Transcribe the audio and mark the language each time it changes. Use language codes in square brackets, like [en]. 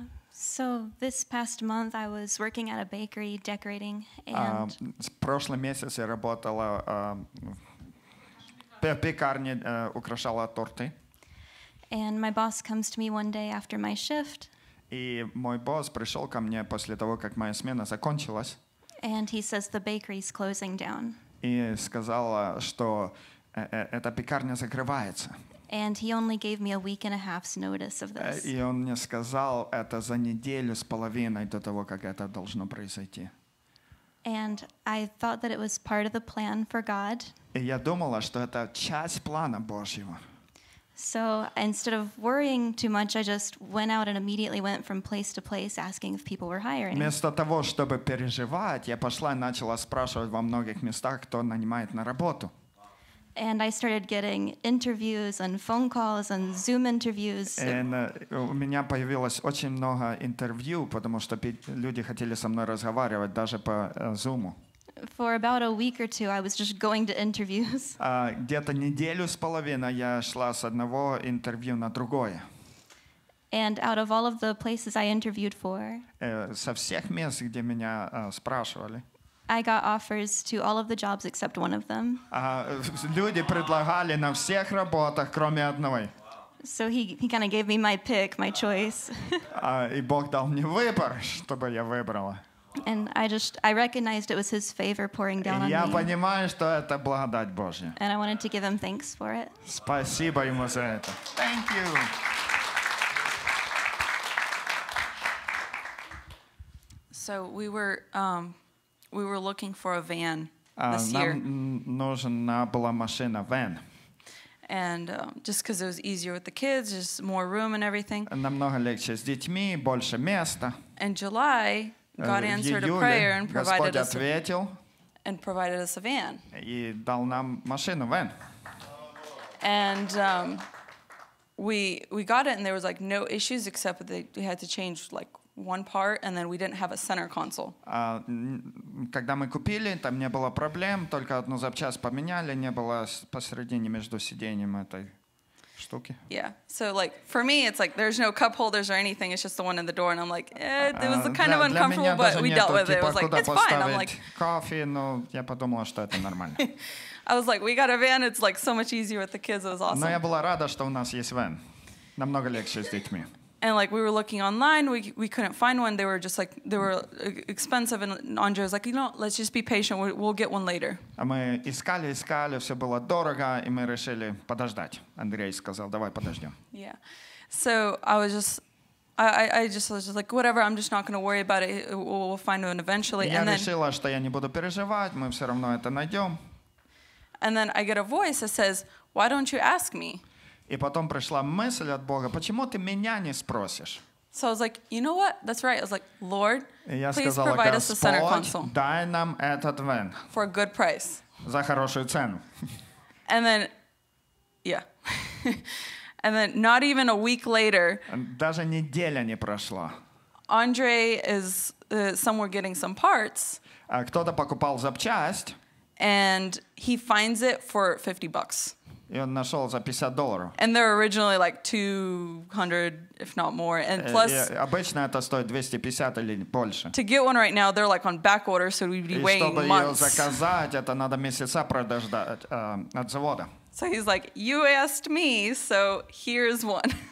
[en] So this past month I was working at a bakery decorating and [ru] прошлый месяц я работала в пекарне, украшала торты. [en] And my boss comes to me one day after my shift. [ru] И мой босс пришёл ко мне после того, как моя смена закончилась. [en] And he says the bakery's closing down. [ru] И сказала, что эта пекарня закрывается. [en] And he only gave me a week and a half's notice of this. [ru] И он мне сказал это за неделю с половиной до того, как это должно произойти. [en] And I thought that it was part of the plan for God. [ru] И я думала, что это часть плана Божьего. [en] So instead of worrying too much, I just went out and immediately went from place to place asking if people were hiring. [ru] Вместо того, чтобы переживать, я пошла и начала спрашивать во многих местах, кто нанимает на работу. [en] And I started getting interviews and phone calls and Zoom interviews. [ru] And у меня появилось очень много интервью, потому что люди хотели со мной разговаривать даже по Zoom. [en] For about a week or two, I was just going to interviews. [ru] Где-то неделю с половиной я шла с одного интервью на другое. [en] And out of all of the places I interviewed for, [ru] со всех мест, где меня спрашивали. [en] I got offers to all of the jobs except one of them. [ru] Люди предлагали на всех работах, кроме одной. [en] So he kind of gave me my pick, my choice. [ru] И Бог дал мне выбор, чтобы я выбрала. [en] And I recognized it was his favor pouring down on me. [ru] Я понимаю, что это благодать Божья. [en] And I wanted to give him thanks for it. [ru] Спасибо ему за это. [en] Thank you. So we were looking for a van this year. [ru] Нужна была машина, van. [en] And just because it was easier with the kids, just more room and everything. [ru] Намного легче с детьми, больше места. [en] In July, God answered [ru] июле, [en] a prayer and provided, [ru] Господь ответил, [en] and provided us a van. [ru] И дал нам машину, van. [en] And we got it, and there was like no issues except that we had to change like one part, and then we didn't have a center console. [ru] Когда мы купили, там не было проблем, только одну запчасть поменяли, не было посередине между сиденьем этой Штуки. [en] Yeah. So like for me, it's like there's no cup holders or anything. It's just the one in the door, and I'm like, it was kind of uncomfortable, but we dealt with it. It was like it's fine. I'm like [ru] coffee, но я подумала, что это нормально. [en] I was like, we got a van. It's like so much easier with the kids. It was awesome. [ru] Но я была рада, что у нас есть van. Намного легче с детьми. [en] And like we were looking online, we couldn't find one. They were just like they were expensive. And Andre was like, you know, let's just be patient. We'll get one later. [ru] А мы искали, все было дорого, и мы решили подождать. Андрей сказал, давай подождем. [en] Yeah, so I was just, I was just like, whatever. I'm just not going to worry about it. We'll find one eventually. [ru] Я решила, что я не буду переживать. Мы все равно это найдем. [en] And then I get a voice that says, why don't you ask me? [ru] И потом пришла мысль от Бога, почему ты меня не спросишь? [en] So I was like, you know what? That's right. I was like, Lord, please [ru] сказала, [en] provide us a center console. [ru] Дай нам этот вен. [en] For a good price. [ru] За хорошую цену. [en] And then, yeah. And then not even a week later. [ru] Даже неделя не прошла. [en] Andre is somewhere getting some parts. [ru] Кто-то покупал запчасть. [en] And he finds it for $50. [ru] И он нашел за $50. [en] And they're originally like 200, if not more. And plus, [ru] обычно это стоит 250 или больше. [en] To get one right now, they're like on back order, so we'd be waiting months. [ru] И чтобы ее заказать, это надо месяца подождать от завода. [en] So he's like, you asked me, so here's one.